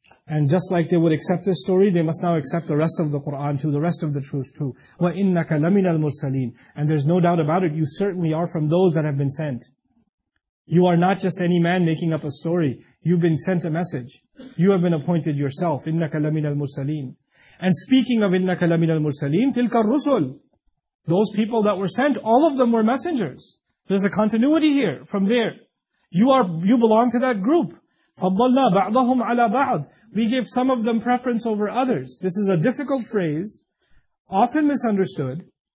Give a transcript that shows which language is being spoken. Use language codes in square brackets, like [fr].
[en] And just like they would accept this story, they must now accept the rest of the Qur'an too, the rest of the truth too. [ar] وَإِنَّكَ لَمِنَ الْمُرْسَلِينَ. [en] And there's no doubt about it, you certainly are from those that have been sent. You are not just any man making up a story. You've been sent a message. You have been appointed yourself. [ar] إِنَّكَ لَمِنَ الْمُرْسَلِينَ. [en] And speaking of [ar] إِنَّكَ لَمِنَ الْمُرْسَلِينَ, تِلْكَ الرُّسُلُ. [en] Those people that were sent, all of them were messengers. There's a continuity here, from there. You belong to that group. [ar] فَضَّلْنَا بَعْضَهُمْ عَلَى بَعْضٍ. [en] We gave some of them preference over others. This is a difficult phrase, often misunderstood.